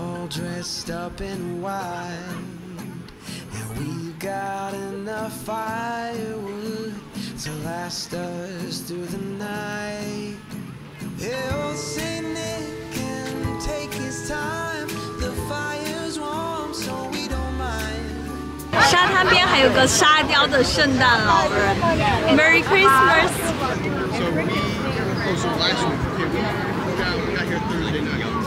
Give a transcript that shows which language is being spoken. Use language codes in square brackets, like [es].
[en] Dressed up in white, and we've got enough. firewood to last us through the night. Hey, old Saint Nick can take his time. The fire's warm, so we don't mind. [zh] 沙滩边还有个沙雕的圣诞老人。 [en] Merry Christmas. So we closed our last one. Okay, we got here Thursday night.